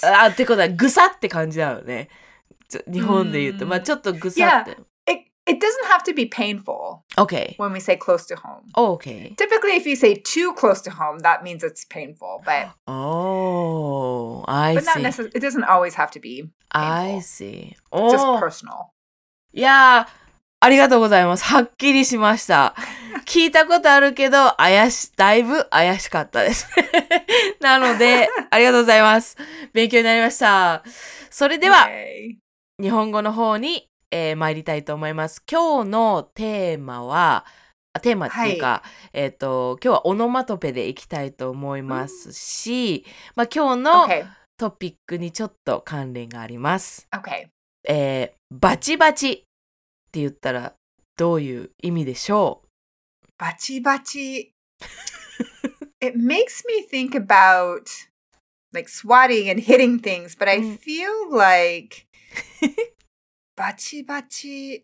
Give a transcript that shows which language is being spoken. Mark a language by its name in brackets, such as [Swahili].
[Japanese] あ、ってことは、ぐさって感じだよね。日本で言うと。まあ、ちょっとぐさって。 [English] Yeah, it, It doesn't have to be painful. Okay. When we say close to home. Oh, okay. Typically, if you say too close to home, that means it's painful. But it doesn't always have to be painful. I see. Oh. Just personal. Yeah. [Japanese] ありがとうございます。はっきりしました。聞いたことあるけど、だいぶ怪しかったです。なので、ありがとうございます。勉強になりました。それでは、日本語の方に、参りたいと思います。今日のテーマは、テーマっていうか、今日はオノマトペでいきたいと思いますし、まあ、今日のトピックにちょっと関連があります。 [English] Okay. [Japanese] バチバチ。って言ったらどういう意味でしょう？バチバチ。 [English] It makes me think about like swatting and hitting things, but I feel like バチバチ。